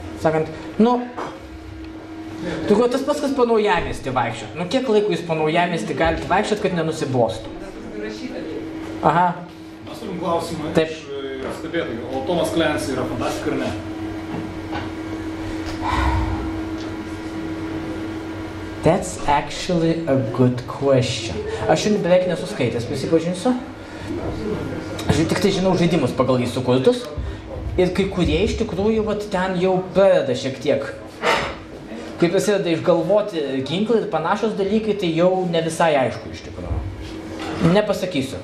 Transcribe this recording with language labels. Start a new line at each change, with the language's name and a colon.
Lithuanian: Sakant, nu, tukau, tas pas kas po Naujamiestį vaikščiot. Nu, kiek laiko jūs po Naujamiestį galite vaikščiot, kad nenusibostų? Aha. Mes turim klausimą. Taip. Iš stebėtojų. O Tomas Klens yra fantastika ar ne?
English: That's actually a good question.
Lithuanian: Aš jau beveik nesu skaitęs, prisipažinsiu. Aš tik tai žinau žaidimus pagal jį sukurtus. Ir kai kurie iš tikrųjų vat, ten jau pradeda šiek tiek. Kai prasideda išgalvoti ginklai ir panašios dalykai, tai jau ne visai aišku iš tikrųjų. Nepasakysiu.